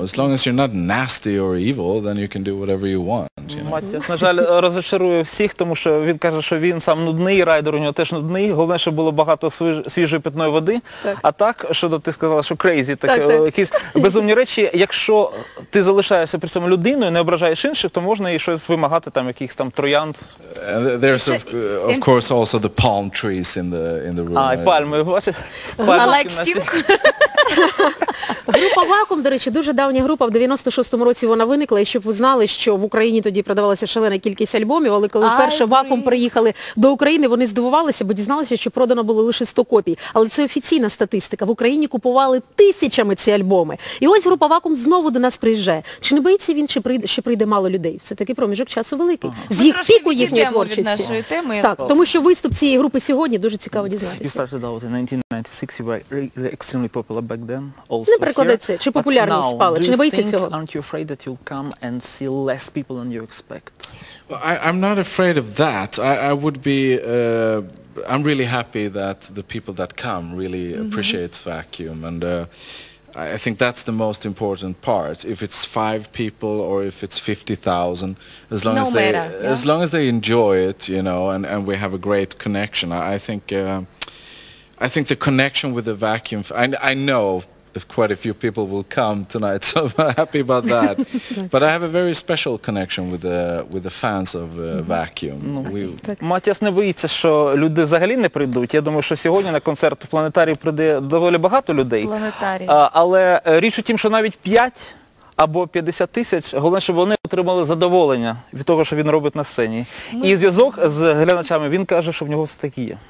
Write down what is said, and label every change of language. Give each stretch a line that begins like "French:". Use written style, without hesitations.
English: As long as you're not nasty or evil, then you can do whatever you want, you know.
Ukrainian: Матіас, на жаль, розочарує всіх, тому що він каже, що він сам нудний, райдер у нього теж нудний. Головне, щоб було багато свіжої питної води. Так. А так, що ти сказала, що crazy, так, якісь безумні речі. Якщо ти залишаєшся при цьому людиною, не ображаєш інших, то можна і щось вимагати, там, якихось там троянд.
English: There's of course also the palm trees in the room.
Ukrainian: А, і пальми, бачиш?
English: I like stink.
Ukrainian: Група «Вакуум», до речі, дуже давня група, в 96-му році вона виникла, і щоб ви знали, що в Україні тоді продавалася шалена кількість альбомів, але коли вперше «Вакуум» приїхали до України, вони здивувалися, бо дізналися, що продано було лише 100 копій. Але це офіційна статистика. В Україні купували тисячами ці альбоми. І ось група «Вакуум» знову до нас приїжджає. Чи не боїться він, що прийде мало людей? Все-таки проміжок часу великий. З їх піку їхньої творчості. Так, тому що виступ цієї групи сьогодні дуже цікаво дізнатися.
English: 96, you were extremely popular back then, also
Ukrainian: не перекладеться,
English: here.
Ukrainian: Чи популярність спала, чи не боїться цього?
English: Aren't you afraid that you'll come and see less people than you expect? Well, I'm not afraid of that. I would be... I'm really happy that the people that come really appreciate Vacuum. And I think that's the most important part. If it's 5 people or if it's 50,000, as long as they enjoy it, you know, and we have a great connection, I think the connection with the Vacuum, I know if quite a few people will come tonight, so I'm happy about that. But I have a very special connection with the fans of Vacuum.
Ukrainian: Матіас не боїться, що люди взагалі не прийдуть. Я думаю, що сьогодні на концерт в Планетарії прийде доволі багато людей. Планетарій. Але річ у тім, що навіть 5 або 50 тисяч, головне, щоб вони отримали задоволення від того, що він робить на сцені. Ми... І зв'язок з глядачами, він каже, що в нього все таки є.